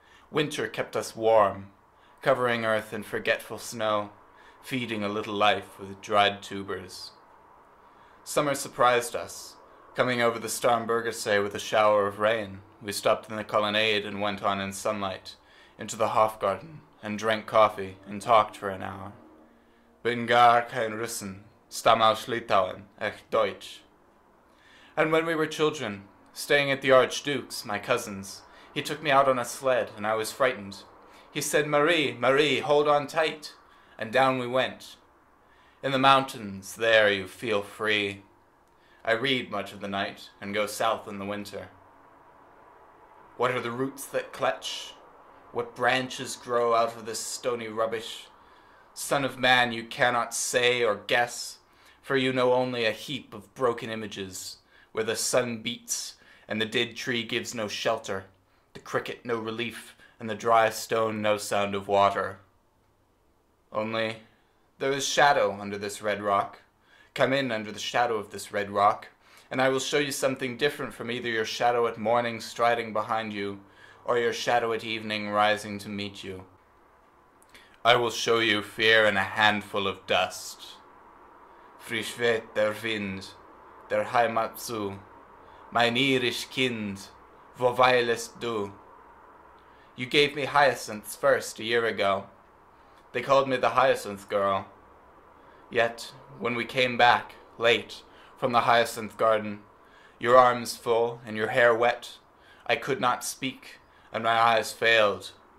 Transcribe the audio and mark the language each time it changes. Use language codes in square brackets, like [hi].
[en] Winter kept us warm, covering earth in forgetful snow, feeding a little life with dried tubers. Summer surprised us, coming over the Starnbergersee with a shower of rain. We stopped in the colonnade and went on in sunlight, into the Hofgarten, and drank coffee and talked for an hour. [de] Bin gar kein Russen, stamm aus Litauen, echt Deutsch. [en] And when we were children, staying at the Archduke's, my cousin's, he took me out on a sled, and I was frightened. He said, Marie, Marie, hold on tight, and down we went. In the mountains, there you feel free. I read much of the night, and go south in the winter. What are the roots that clutch? What branches grow out of this stony rubbish? Son of man, you cannot say or guess, for you know only a heap of broken images, where the sun beats, and the dead tree gives no shelter, the cricket no relief, and the dry stone no sound of water. Only, there is shadow under this red rock. Come in under the shadow of this red rock, and I will show you something different from either your shadow at morning striding behind you, or your shadow at evening rising to meet you. I will show you fear in a handful of dust. [de] Frisch weht der Wind, der Heimat zu, mein irisch Kind, wo weilest du? [en] You gave me hyacinths first a year ago. They called me the hyacinth girl. Yet, when we came back, late, from the hyacinth garden, your arms full and your hair wet, I could not speak, and my eyes failed.